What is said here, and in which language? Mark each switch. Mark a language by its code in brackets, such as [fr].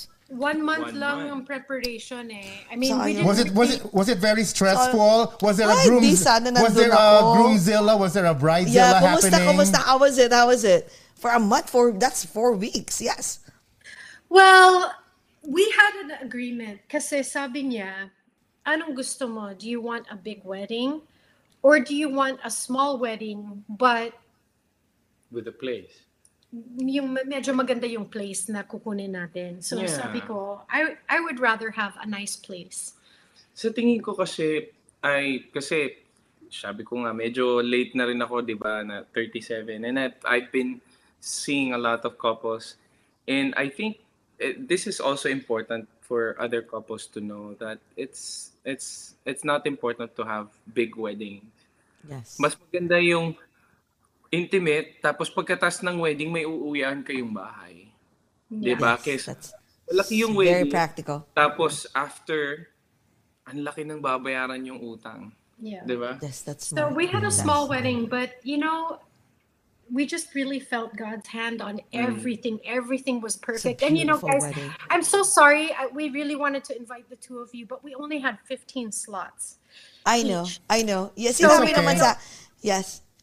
[en] One month yung preparation eh. I mean, so, was it very stressful? Was there a groomzilla? Was there a bridezilla happening? Yeah, [tl] kumusta? [en] How was it? For a month, that's 4 weeks, yes. Well, we had an agreement. [tl] Kasi sabi niya, anong gusto mo? [en] Do you want a big wedding? Or do you want a small wedding, but... with a place. [tl] Yung medyo maganda yung place na kukunin natin. So yeah. Sabi ko, [en] I would rather have a nice place. [tl] Sa tingin ko kasi, kasi sabi ko nga, medyo late na rin ako, di ba, na 37. [en] And I've been seeing a lot of couples. And I think this is also important for other couples to know that it's not important to have big wedding. Yes. [tl] Mas maganda yung intimate, tapos pagkatas ng wedding, may uuwian kayong bahay. [en] Yes. [tl] Diba? Kesa, malaki yung [en] very wedding. Very practical. [tl] Tapos after, ang laki ng babayaran yung utang. [en] Yeah. [tl] Diba? [en] Yes, that's smart. So we had a small wedding, but you know, we just really felt God's hand on everything. Mm. Everything was perfect. And you know, guys, wedding. I'm so sorry. We really wanted to invite the two of you, but we only had 15 slots. I know. Yes, yeah, so, okay. Yes.